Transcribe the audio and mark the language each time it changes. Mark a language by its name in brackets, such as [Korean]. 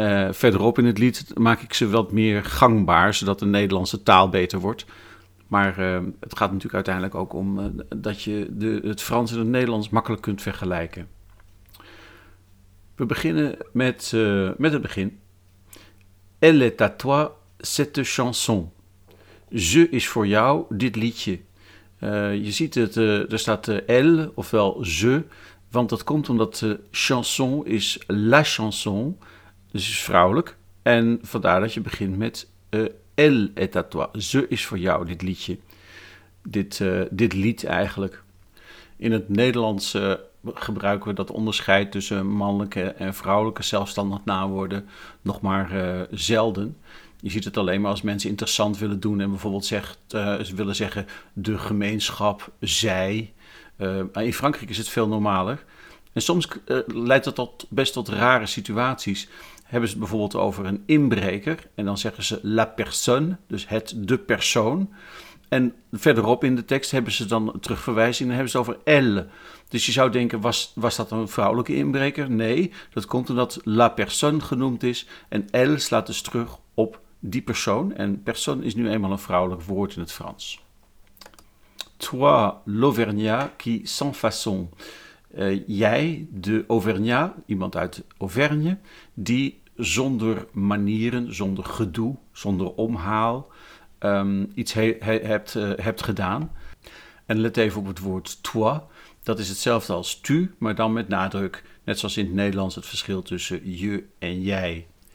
[Dutch] Verderop in het lied maak ik ze wat meer gangbaar, zodat de Nederlandse taal beter wordt. Maar het gaat natuurlijk uiteindelijk ook om dat je het Frans en het Nederlands makkelijk kunt vergelijken. We beginnen met het begin. [French] Elle est à toi, cette chanson. [Dutch] Je is voor jou, dit liedje. Je ziet het, er staat elle, ofwel je, want dat komt omdat chanson is la chanson. Dus is vrouwelijk. En vandaar dat je begint met [French] elle est à toi. [Dutch] Ze is voor jou, dit liedje. Dit lied eigenlijk. In het Nederlands gebruiken we dat onderscheid tussen mannelijke en vrouwelijke zelfstandig naamwoorden nog maar zelden. Je ziet het alleen maar als mensen interessant willen doen en bijvoorbeeld willen zeggen de gemeenschap, zij. In Frankrijk is het veel normaler. En soms leidt dat best tot rare situaties. Hebben ze het bijvoorbeeld over een inbreker en dan zeggen ze la personne, dus het de persoon. En verderop in de tekst hebben ze dan terugverwijzing en hebben ze het over elle. Dus je zou denken, was dat een vrouwelijke inbreker? Nee, dat komt omdat la personne genoemd is en elle slaat dus terug op die persoon. En persoon is nu eenmaal een vrouwelijk woord in het Frans. [French] Toi, l'Auvergnat qui sans façon. [Dutch] Jij, de Auvergnat, iemand uit Auvergne, die zonder manieren, zonder gedoe, zonder omhaal iets hebt gedaan. En let even op het woord toi, dat is hetzelfde als tu, maar dan met nadruk, net zoals in het Nederlands het verschil tussen je en jij.